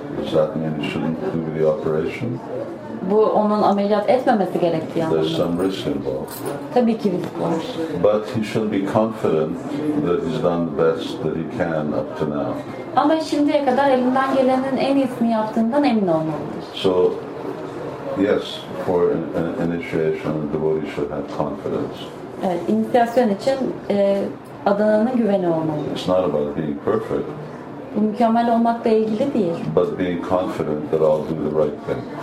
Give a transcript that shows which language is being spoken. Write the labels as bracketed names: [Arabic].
[English] Does that mean he shouldn't do the operation? [Turkish] Bu onun ameliyat etmemesi gerektiği anlamda. [English] There's some risk involved. [Turkish] Tabii ki risk var. [English] But he should be confident that he's done the best that he can up to now. [Turkish] Ama şimdiye kadar elinden gelenin en iyisini yaptığından emin olmalıdır. [English] So, yes, for an initiation, the devotee should have confidence. [Turkish] Evet, inisiyasyon için adanının güveni olmalı. [English] It's not about being perfect. [Turkish] Bu mükemmel olmakla ilgili değil. [English] But being confident that I'll do the right thing.